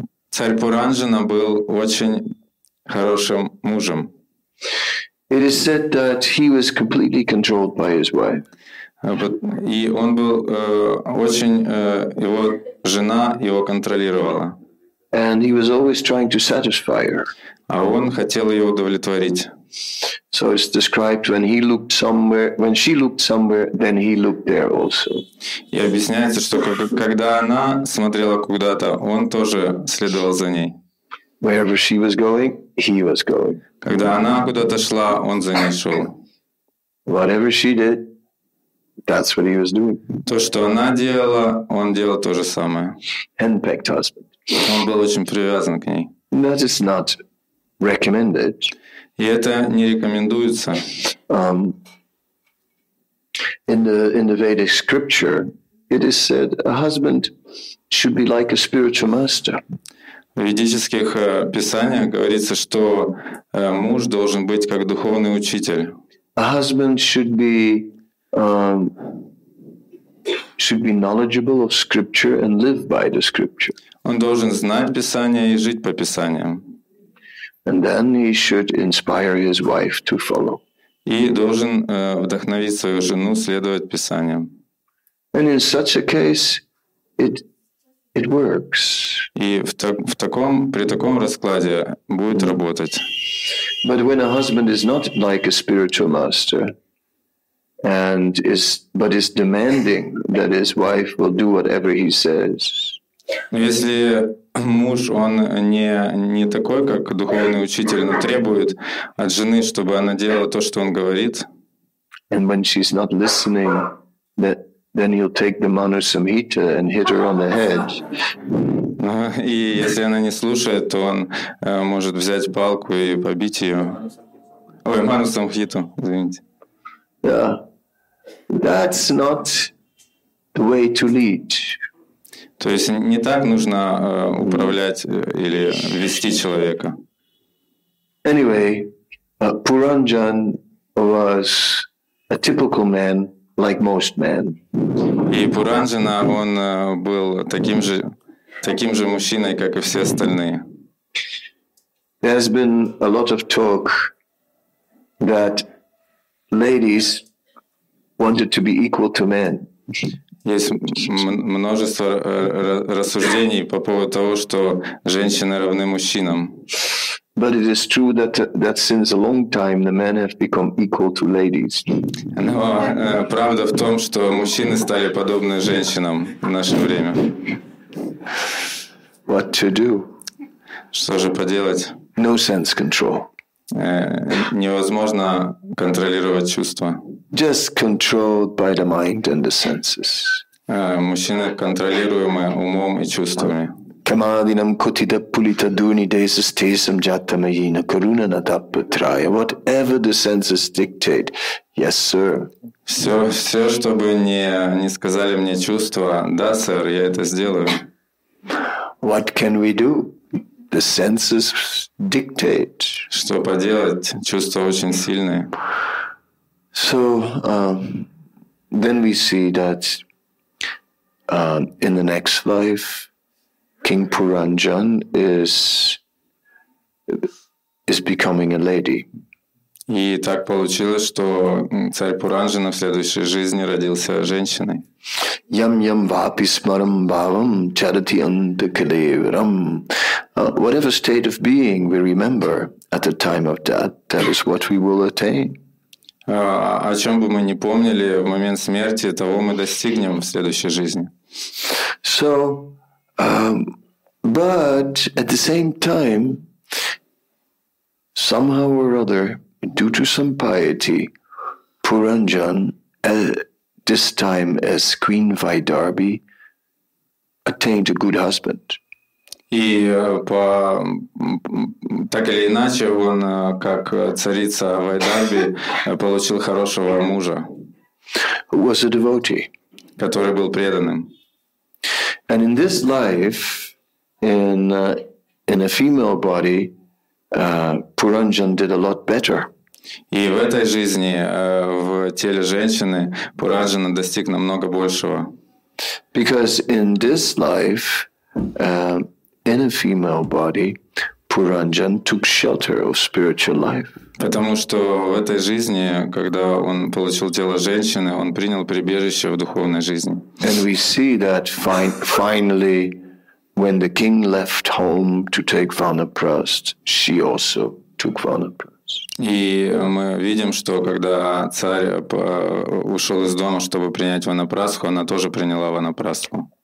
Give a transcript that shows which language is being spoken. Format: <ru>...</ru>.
<ru>Царь Пуранджана был очень хорошим мужем.</ru> <en>It is said that he was completely controlled by his wife.</en> <ru>И он был очень его жена его контролировала.</ru> <en>And he was always trying to satisfy her.</en> <ru>А он хотел ее удовлетворить.</ru> <en>So it's described when he looked somewhere, when she looked somewhere, then he looked there also.</en> <ru>И объясняется, что когда она смотрела куда-то, он тоже следовал за ней.</ru> <en>Wherever she was going, he was going.</en> <ru>Когда она куда-то шла, он за ней шел.</ru> <en>Whatever she did, that's what he was doing.</en> <ru>То, что она делала, он делал то же самое.</ru> <en>Hand-picked husband.</en> <ru>Он был очень привязан к ней.</ru> <en>That is not recommended.</en> <ru>И это не рекомендуется.</ru> <en>In the Vedic scripture, it is said a husband should be like a spiritual master.</en> <ru>В ведических писаниях говорится, что муж должен быть как духовный учитель.</ru> <en>A husband should be knowledgeable of scripture and live by the scripture.</en> <ru>Он должен знать Писание и жить по Писаниям.</ru> <en>And then he should inspire his wife to follow.</en> <ru>И должен вдохновить свою жену следовать Писаниям.</ru> <en>And in such a case, it works.</en> <ru>И при таком раскладе будет работать.</ru> <en>But when a husband is not like a spiritual master, but is demanding that his wife will do whatever he says.</en> <ru>Если муж, он не такой, как духовный учитель, но требует от жены, чтобы она делала то, что он говорит.</ru> <en>And when she's not listening, then he'll take the manusamhita and hit her on the head.</en> <ru>И если она не слушает, то он может взять палку и побить ее. Ой, манусамхиту, извините.</ru> <en>Yeah. That's not the way to lead.</en> <ru>То есть не так нужно управлять или вести человека.</ru> <en>Anyway, Puranjan was a typical man like most men.</en> <ru>И Puranjana, он был таким же мужчиной, как и все остальные.</ru> <en>There's been a lot of talk that ladies wanted to be equal to men.</en> <ru>Есть множество рассуждений по поводу того, что женщины равны мужчинам.</ru> <en>But it is true that since a long time the men have become equal to ladies.</en> <ru>Но правда в том, что мужчины стали подобны женщинам в наше время.</ru> <en>What to do?</en> <ru>Что же поделать?</ru> <en>No sense control.</en> <ru>Невозможно контролировать чувства.</ru> <en>Just controlled by the mind and the senses.</en> <ru>Мужчины контролируемы умом и чувствами.</ru> <sa>Камадинам кутида пулита дуни дейсис тейсам джатта майина каруна натаппа трая.</sa> <en>Whatever the senses dictate. Yes, sir.</en> <ru>Все, что бы не сказали мне чувства, да, сэр, я это сделаю.</ru> <en>What can we do? The senses dictate.</en> <ru>Что поделать? Чувства очень сильные.</ru> <en>So then we see that in the next life, King Puranjan is becoming a lady.</en> <ru>И так получилось, что царь Пуранджана в следующей жизни родился женщиной.</ru> <sa>Ям ям вапи смарам бавам чадати антакалеврам.</sa> <en>Whatever state of being we remember at the time of death, that is what we will attain.</en> <ru>О чем бы мы ни помнили в момент смерти, того мы достигнем в следующей жизни.</ru> <en>So, but at the same time, somehow or other, due to some piety, Puranjan, this time as Queen Vaidarbhi, attained a good husband.</en> <ru>И так или иначе он, как царица Вайдарби, получил хорошего мужа,</ru> <en>was a devotee,</en> <ru>который был преданным.</ru> <en>And in this life, in a female body, Puranjan did a lot better.</en> <ru>И в этой жизни, в теле женщины, Puranjana достиг намного большего.</ru> <en>Because in this life, in a female body, Puranjan took shelter of spiritual life.</en> <ru>Потому что в этой жизни, когда он получил тело женщины, он принял прибежище в духовной жизни.</ru> <en>And we see that finally, when the king left home to take vanaprast, she also took vanaprast.</en> <ru>И мы видим, что когда царь ушел из дома, чтобы принять ванапрасху, она тоже приняла ванапрасху.</ru>